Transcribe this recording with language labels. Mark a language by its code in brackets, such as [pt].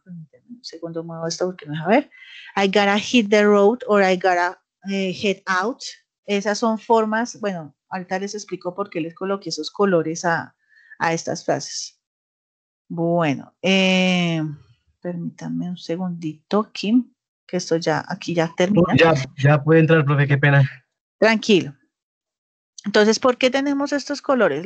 [es] Un segundo muevo esto porque me voy a ver. [en] I gotta hit the road or I gotta head out. [es] Esas son formas, bueno, ahorita les explico por qué les coloqué esos colores a estas frases. Bueno, permítanme un segundito, Kim, que esto ya, aquí ya termina. Ya puede entrar, profe, qué pena. Tranquilo. Entonces, ¿por qué tenemos estos colores?